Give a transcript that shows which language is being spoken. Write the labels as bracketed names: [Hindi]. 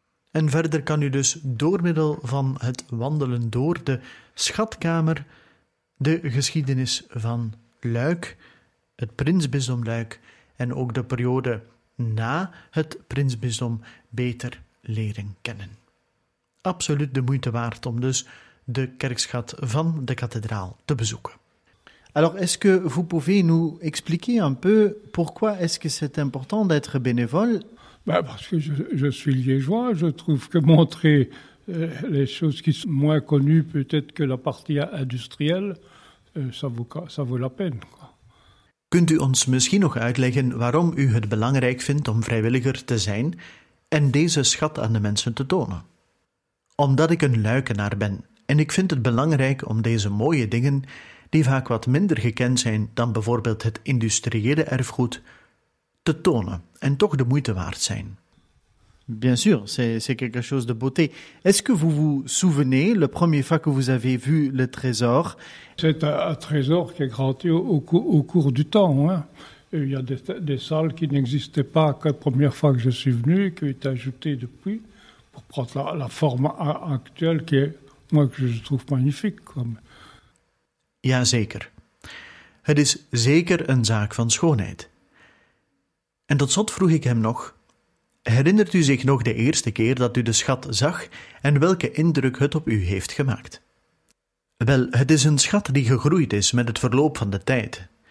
[Dutch] En verder kan u dus door middel van het wandelen door de schatkamer de geschiedenis van Luik, het prinsbisdom Luik en ook de periode na het prinsbisdom beter leren kennen. Absoluut de moeite waard om dus de kerkschat van de kathedraal te bezoeken. [French] Alors, est-ce que vous pouvez nous expliquer un peu pourquoi est-ce que c'est important d'être bénévole? Ben parce que je suis liégeois, je trouve que montrer les choses qui sont moins connues, peut-être que la partie industrielle, ça vaut la peine. [Dutch] Kunt u ons misschien nog uitleggen waarom u het belangrijk vindt om vrijwilliger te zijn en deze schat aan de mensen te tonen? Omdat ik een Luikenaar ben en ik vind het belangrijk om deze mooie dingen, die vaak wat minder gekend zijn dan bijvoorbeeld het industriële erfgoed, te tonen en toch de moeite waard zijn. [French] Bien sûr, c'est quelque chose de beauté. Est-ce que vous vous souvenez la première fois que vous avez vu le trésor? C'est un trésor qui a grandi au cours du temps. Hein. Il y a des salles qui n'existaient pas que la première fois que je suis venu, qui ont été ajoutées depuis, pour prendre la forme actuelle, qui est, moi, que je trouve magnifique. Comme. [Dutch] Ja, zeker. Het is zeker een zaak van schoonheid. En tot slot vroeg ik hem nog, herinnert u zich nog de eerste keer dat u de schat zag en welke indruk het op u heeft gemaakt? Wel, het is een schat die gegroeid is met het verloop van de tijd.